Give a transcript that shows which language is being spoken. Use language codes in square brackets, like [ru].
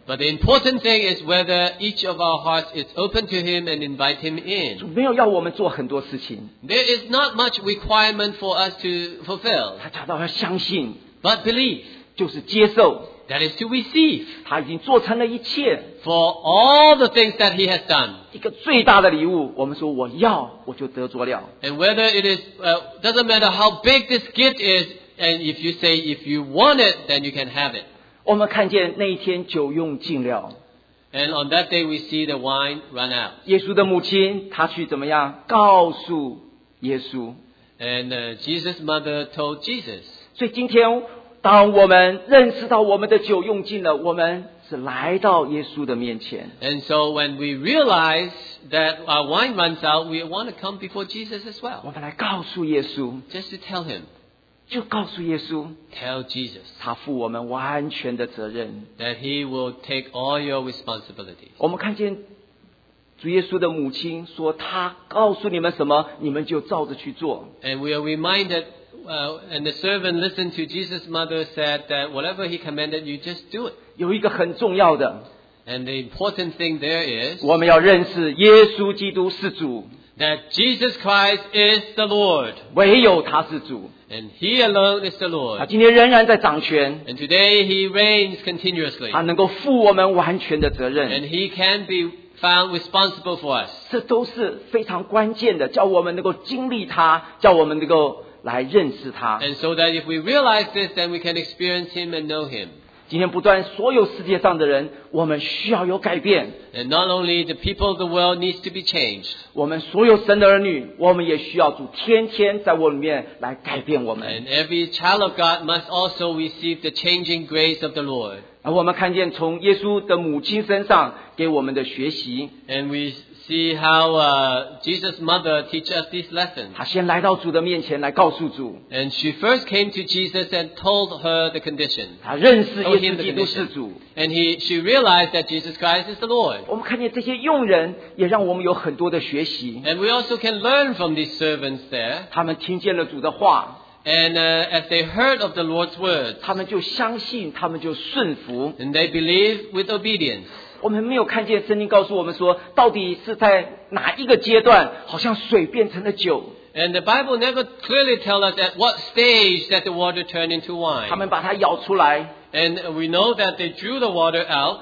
[en] But the important thing is whether each of our hearts is open to him and invite him in. [zh] 主没有要我们做很多事情。 [en] There is not much requirement for us to fulfill. [zh] 他讲到要相信。 [en] But believe. [zh] 就是接受。 [en] That is to receive. [zh] 他已经做成了一切。 [en] For all the things that he has done. [zh] 一个最大的礼物, 我们说我要, 我就得着了。 [en] And whether it is, doesn't matter how big this gift is, and if you say if you want it, then you can have it. [zh] 我们看见那一天酒用尽了。 [en] And on that day we see the wine run out. [zh] 耶稣的母亲, 她去怎么样? 告诉耶稣。 [en] And Jesus' mother told Jesus. [zh] 所以今天, 当我们认识到我们的酒用尽了，我们是来到耶稣的面前。 [en] And so when we realize that our wine runs out, we want to come before Jesus as well. [zh] 我们来告诉耶稣。 [en] Just to tell him. [zh] 就告诉耶稣。 [en] Tell Jesus. [zh] 他负我们完全的责任。 [en] That he will take all your responsibilities. [zh] 我们看见主耶稣的母亲说，他告诉你们什么，你们就照着去做。 [en] And we are reminded. And the servant listened to Jesus' mother said that whatever he commanded you, just do it. [zh] 有一个很重要的, [en] and the important thing there is, [zh] 我们要认识耶稣基督是主, [en] that Jesus Christ is the Lord. [zh] 唯有他是主, [en] and he alone is the Lord. [zh] 他今天仍然在掌权, [en] and today he reigns continuously. [zh] 他能够负我们完全的责任, [en] and he can be found responsible for us. [zh] 这都是非常关键的, 叫我们能够经历他, 叫我们能够 来认识他。 [en] And so that if we realize this, then we can experience him and know him. [zh] 今天不断所有世界上的人, 我们需要有改变。 [en] And not only the people of the world needs to be changed. [zh] 我们所有神的儿女, 我们也需要主天天在我里面来改变我们。 [en] And every child of God must also receive the changing grace of the Lord. [zh] 而我们看见从耶稣的母亲身上, 给我们的学习。 [en] And we see how Jesus' mother teaches us these lessons. [zh] 她先来到主的面前来告诉主。 [en] And she first came to Jesus and told her the condition. [zh] 她认识耶稣基督是主。 [en] And she realized that Jesus Christ is the Lord. [zh] 我们看见这些用人也让我们有很多的学习。 [en] And we also can learn from these servants there. [zh] 他们听见了主的话。 [en] And as they heard of the Lord's words, [zh] 他们就相信, 他们就顺服。 [en] And they believe with obedience. [zh] 我们没有看见圣经告诉我们说, 到底是在哪一个阶段, 好像水变成了酒。 [en] And the Bible never clearly tells us at what stage that the water turned into wine. [zh] 他们把它舀出来。 [en] And we know that they drew the water out.